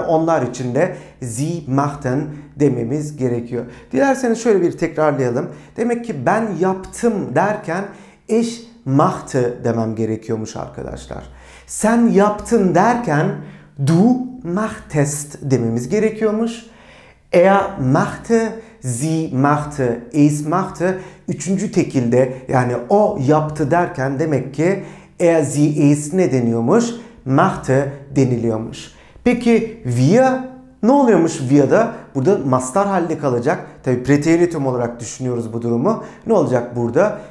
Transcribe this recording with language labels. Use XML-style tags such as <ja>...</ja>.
<tr>Onlar için de</tr> <de>sie machten</de> <tr>dememiz gerekiyor. Dilerseniz şöyle bir tekrarlayalım. Demek ki ben yaptım derken</tr> <de>ich machte</de> <tr>demem gerekiyormuş arkadaşlar. Sen yaptın derken</tr> <de>du machtest</de> <tr>dememiz gerekiyormuş.</tr> <de>Er machte, sie machte, es machte.</de> <tr>Üçüncü tekilde, yani o yaptı derken demek ki er, sie, es ne deniyormuş? Machte deniliyormuş. Peki wir ne oluyormuş wir'da? Burada mastar halde kalacak. Tabii preteritum olarak düşünüyoruz bu durumu. Ne olacak burada?</tr>